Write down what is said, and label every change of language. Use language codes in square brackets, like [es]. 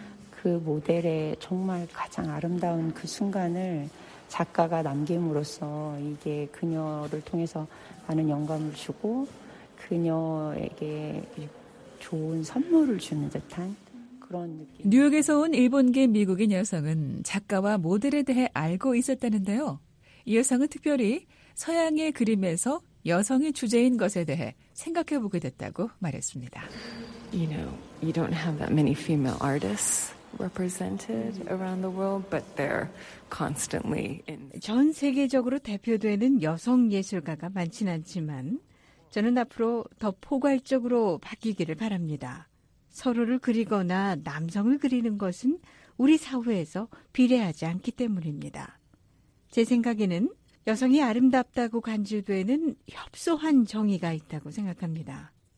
[ko] 그 모델의 정말 가장 아름다운 그 순간을 작가가 남김으로써 이게 그녀를 통해서 많은 영감을 주고 그녀에게 좋은 선물을 주는 듯한 그런 느낌. 뉴욕에서 온 일본계 미국인 여성은 작가와 모델에 대해 알고 있었다는데요. 이 여성은 특별히 서양의 그림에서 여성이 주제인 것에 대해 생각해보게 됐다고 말했습니다. [en] You know, you don't have that many female artists represented around the world, but they're constantly in. [ko] 전 세계적으로 대표되는 여성 예술가가 많진 않지만 저는 앞으로 더 포괄적으로 바뀌기를 바랍니다. 서로를 그리거나 남성을 그리는 것은 우리 사회에서 비례하지 않기 때문입니다. 제 생각에는 여성이 아름답다고 간주되는 협소한 정의가 있다고 생각합니다.